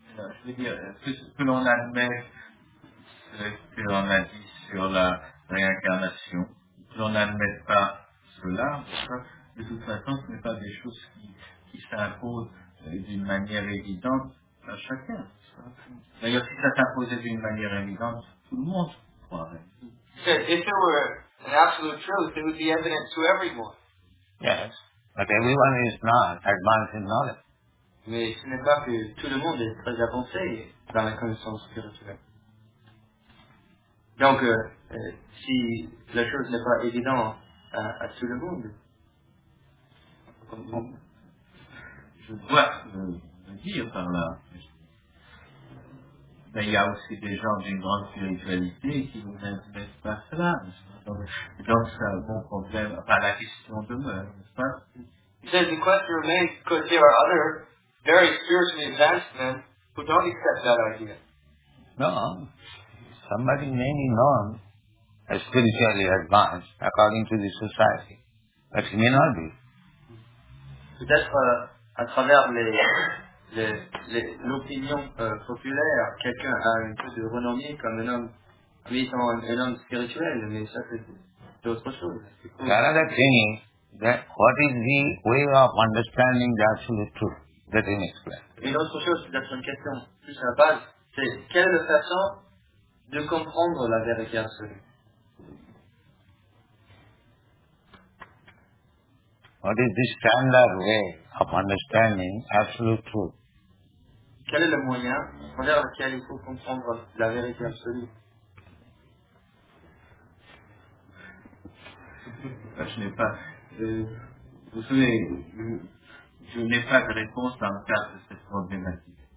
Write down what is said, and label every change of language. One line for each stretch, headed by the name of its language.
French: Je veux dire, plus l'on admet ce que l'on a dit sur la réincarnation, plus l'on n'admet pas cela, de toute façon, ce n'est pas des choses qui s'imposent d'une manière évidente à chacun. D'ailleurs, si ça s'imposait d'une manière évidente, tout le monde croirait.
English: If there were an absolute truth, it would be evident to everyone. Yes, but everyone is not advanced in knowledge.
French: Mais ce n'est pas que tout le monde est très avancé dans la connaissance spirituelle. Donc, si la chose n'est pas évidente à tout le monde. Je dois le dire par là. Mais il y a aussi des gens d'une grande spiritualité qui ne vous intéressent pas cela. Donc c'est un bon problème. Enfin, la question demeure, n'est-ce pas?
English: He says the question remains because there are other very spiritually advanced men who don't accept that idea. No. Somebody may be known as spiritually advanced according to the society. But he may not be.
French: Peut-être à travers l'opinion populaire, quelqu'un a un peu de renommée comme un homme, mais étant un homme spirituel, mais ça c'est d'autres choses.
English: Another thing is that what is the way of understanding the absolute truth? Let him explain.
French: Une autre chose, peut-être une question plus à la base, c'est quelle est la façon de comprendre la vérité absolue?
English: What is the standard way of understanding absolute truth?
French: Quel est le moyen par lequel il faut comprendre la vérité absolue? Je n'ai pas. Vous savez, je n'ai pas de réponse dans le cadre de cette problématique.